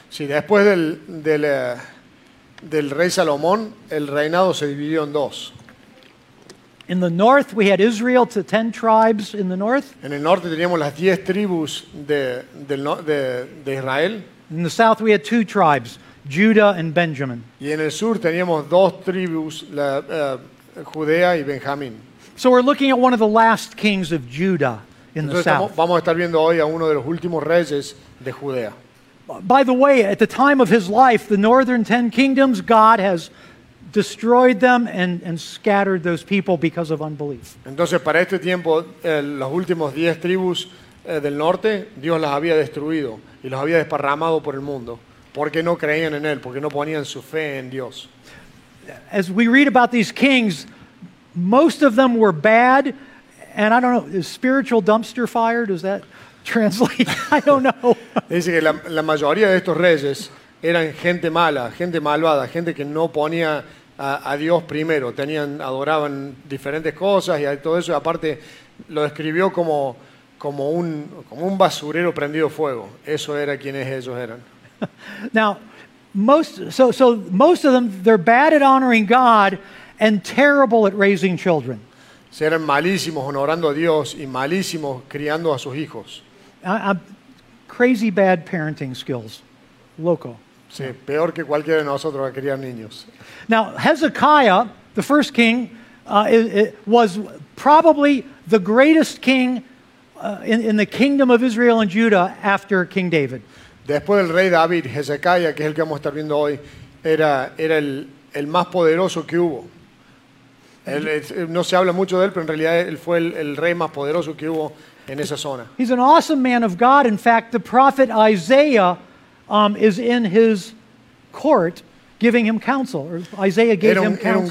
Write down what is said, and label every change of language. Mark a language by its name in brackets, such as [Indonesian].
[Spanish] Sí, después del rey Salomón, el reinado se dividió en dos. [English] In the north, we had Israel to 10 tribes in the north. [Spanish] En el norte teníamos las 10 tribus de Israel. [English] In the south, we had two tribes, Judah and Benjamin. [Spanish] Y en el sur teníamos dos tribus, Judea y Benjamín. [English] So we're looking at one of the last kings of Judah in [Spanish] Entonces [English] the south. [Spanish] Vamos a estar viendo hoy a uno de los últimos reyes de Judea. [English] By the way, at the time of his life, the northern 10 kingdoms, God has destroyed them and scattered those people because of unbelief. [Spanish] Entonces, para este tiempo, los últimos 10 tribus del norte, Dios las había destruido y los había desparramado por el mundo porque no creían en él, porque no ponían su fe en Dios. [English] As we read about these kings, most of them were bad, and I don't know, is spiritual dumpster fire? Does that translate? I don't know. [Spanish] Dice que la mayoría de estos reyes eran gente mala, gente malvada, gente que no ponía a Dios primero. Adoraban diferentes cosas y todo eso. Y aparte lo describió como un basurero prendido fuego. Eso era quienes ellos eran. [English] Now, most of them, they're bad at honoring God and terrible at raising children. [Spanish] Se eran malísimos honorando a Dios y malísimos criando a sus hijos. [English] Crazy bad parenting skills, loco. [Spanish] Sí, peor que cualquiera de nosotros a criar niños. [English] Now, Hezekiah, the first king, was probably the greatest king in the kingdom of Israel and Judah after King David. [Spanish] Después del rey David, Hezekiah, que es el que vamos a estar viendo hoy, era el más poderoso que hubo. No se habla mucho de él, pero en realidad él fue el rey más poderoso que hubo en esa zona. [English] He's an awesome man of God. In fact, the prophet Isaiah is in his court giving him counsel, or Isaiah gave him counsel.